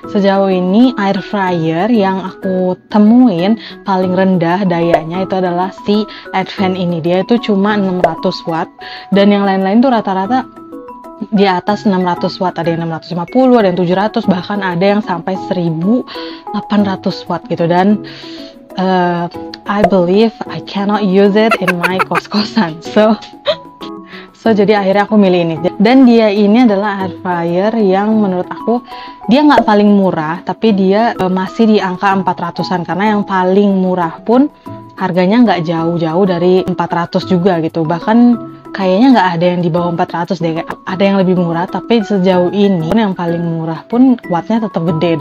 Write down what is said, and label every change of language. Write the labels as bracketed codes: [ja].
[id] Sejauh ini air fryer yang aku temuin paling rendah dayanya itu adalah si Advan ini. Dia itu cuma 600 watt dan yang lain-lain tuh rata-rata di atas 600 watt, ada yang 650, ada yang 700, bahkan ada yang sampai 1800 watt gitu. [en] Dan I believe I cannot use it in my kos-kosan. [id] So jadi akhirnya aku milih ini. Dan dia ini adalah air fryer yang menurut aku dia nggak paling murah, tapi dia masih di angka 400-an, karena yang paling murah pun harganya nggak jauh-jauh dari 400 juga gitu. Bahkan kayaknya nggak ada yang di bawah 400 deh, ada yang lebih murah, tapi sejauh ini yang paling murah pun wattnya tetap gede.